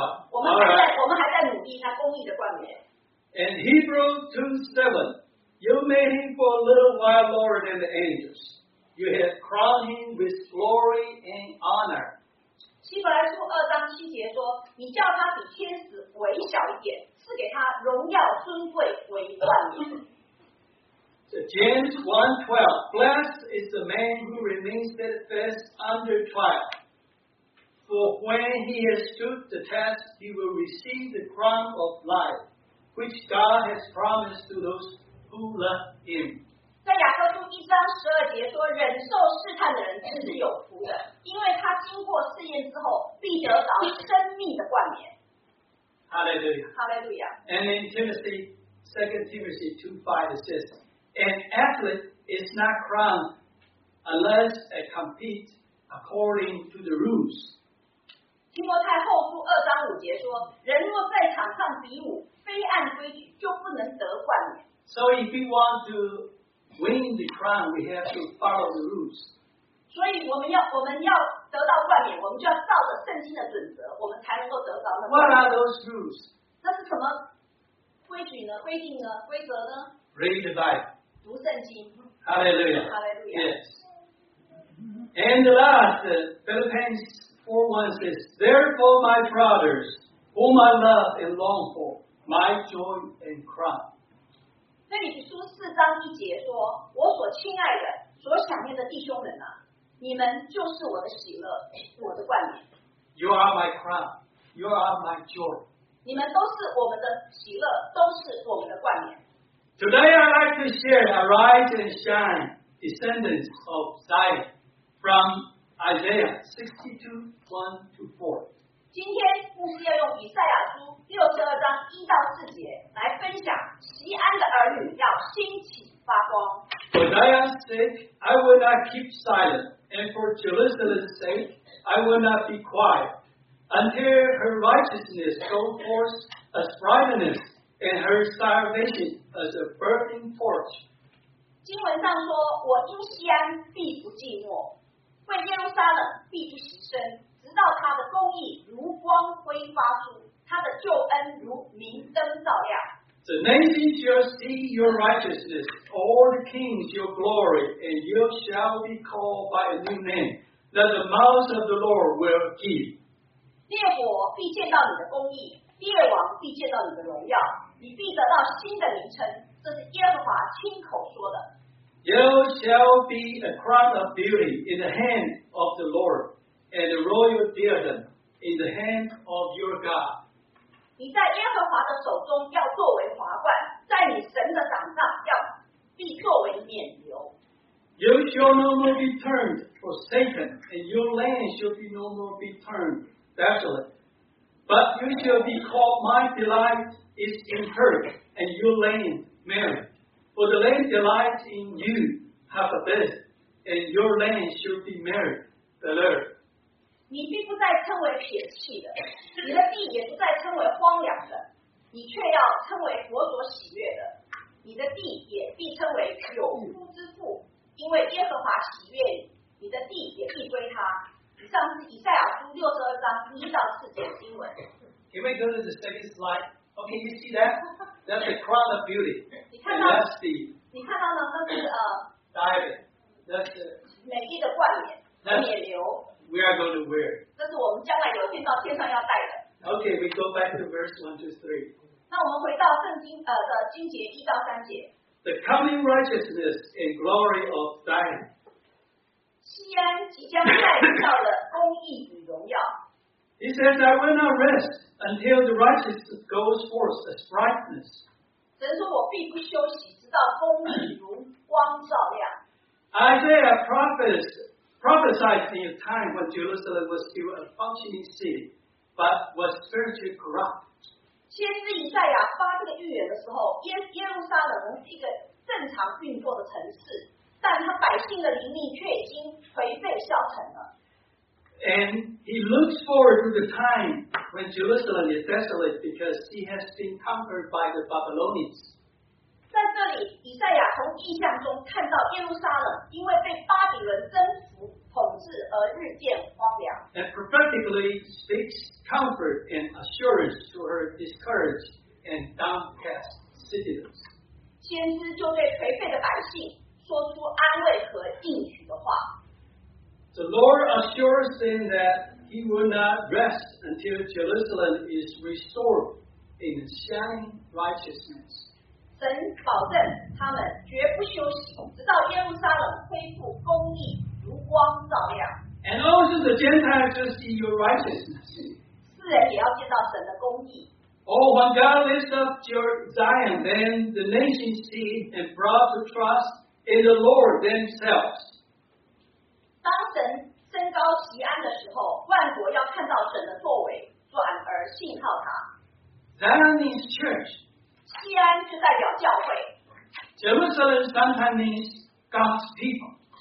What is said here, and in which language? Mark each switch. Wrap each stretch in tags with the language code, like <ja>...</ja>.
<zh>我们还在努力那公义的冠冕。</zh> <en>And Hebrews 2:7 You made him for a little while lower than the angels. You have crowned him with glory and honor.</en> <zh>希伯来书2:7说，你叫他比天使微小一点，赐给他荣耀尊贵为冠冕。</zh> <en>James 1:12 Blessed is the man who remains steadfast under trial. For when he has stood the test, he will receive the crown of life, which God has promised to those who love him.</en> <zh>在雅各书1:12说，忍受试探的人真是有福的，因为他经过试验之后必得着生命的冠冕。</zh> <en>Hallelujah. Hallelujah. And in Timothy, 2 Timothy 2:5 it says, An athlete is not crowned unless they compete according to the rules.</en> <zh>提摩太后书2:5说，人若在场上比武，非按规矩就不能得冠冕。</zh> <en>So if you want to win the crown, we have to follow the rules.</en> <zh>所以我们要得到冠冕，我们就要照着圣经的准则，我们才能够得到那冠冕。</zh> <en>What are those rules?</en> <zh>这是什么规矩呢？规定呢？规则呢？</zh> <en>Read the Bible.</en> <zh>读圣经。</zh> <en>Hallelujah. Hallelujah. Yes. And the last, Philippians 4:1 says, Therefore, my brothers, whom I love and long for, my joy and crown.</en> <zh>这里书4:1说，我所亲爱的，所想念的弟兄们啊，你们就是我的喜乐，我的冠冕。</zh> <en>You are my crown. You are my joy.</en> <zh>你们都是我们的喜乐，都是我们的冠冕。</zh> <en>Today I'd like to share a rise and shine descendants of Zion from Isaiah 62:1-4</en> <zh>今天牧师要用以赛亚书62:1-4来分享锡安的儿女要兴起发光。</zh> <en>For Zion's sake, I will not keep silent, and for Jerusalem's sake, I will not be quiet, until her righteousness go forth as brightness, and her salvation as a burning torch.</en> <zh>经文上说，我因锡安必不寂寞，为耶路撒冷必不息声。直到他的公义如光辉发出，他的救恩如明灯照亮。</zh> <en>The nations shall see your righteousness, all the kings your glory, and you shall be called by a new name that the mouth of the Lord will give.</en> <zh>列国必见到你的公义，列王必见到你的荣耀，你必得到新的名称，这是耶和华亲口说的。</zh> <en>You shall be a crown of beauty in the hand of the Lord, and a royal diadem in the hand of your God.</en> <zh>你在耶和华的手中要作为华冠，在你神的掌上要必作为冕旒。</zh> <en>You shall no more be turned forsaken, and your land shall be no more be turned desolate. But you shall be called my delight is in her, and your land merit. For the land delights in you have a bed, and your land shall be merit the earth.</en> <zh>你并不再称为撇弃的，你的地也不再称为荒凉的，你却要称为国所喜悦的，你的地也必称为有夫之妇，因为耶和华喜悦你，你的地也必归他。以上是以赛亚书六十二章一到四节经文。</zh> <en>Can we go to the second slide? Okay, you see that? That's the crown of beauty.</en> <zh>你看到？</zh> <en>That's the,</en> <zh>你看到了？那是</zh> <en>diamond. That's the</en> <zh>美丽的冠冕，冕旒。</zh> <en>We are going to wear.</en> <zh>这是我们将来有一天到天上要戴的。</zh> <en>Okay, we go back to verse 1-3.</en> <zh>那我们回到圣经的经节一到三节。</zh> <en>The coming righteousness and glory of Zion.</en> <zh>西安即将带到的公义与荣耀。</zh> <en>He says, "I will not rest until the righteousness goes forth as brightness."</en> <zh>神说我必不休息，直到公义如光照亮。</zh> <en>Isaiah prophesied in a time when Jerusalem was still a functioning city, but was spiritually corrupt.</en> <zh>先知以赛亚发这个预言的时候，耶路撒冷是一个正常运作的城市，但他百姓的灵力却已经颓废消沉了。</zh> <en>And he looks forward to the time when Jerusalem is desolate because he has been conquered by the Babylonians.</en> <zh>在这里，以赛亚从异象中看到耶路撒冷因为被巴比伦征服统治而日渐荒凉。</zh> <en>And prophetically speaks comfort and assurance to her discouraged and downcast citizens.</en> <zh>先知就对颓废的百姓说出安慰和应许的话。</zh> <en>The Lord assures them that He will not rest until Jerusalem is restored in shining righteousness.</en> <zh>神保证他们绝不休息，直到耶路撒冷恢复公义，如光照亮。</zh> <en>And also the Gentiles shall see your righteousness.</en> <zh>世人也要见到神的公义。</zh> <en>Oh, when God lifts up your Zion, then the nations see and brought to trust in the Lord themselves.</en> <zh>当神升高锡安的时候，万国要看到神的作为，转而信靠他。</zh> <en>Zion means church.</en> <zh>西安就代表教会。</zh> <en>Jerusalem sometimes means God's people.</en>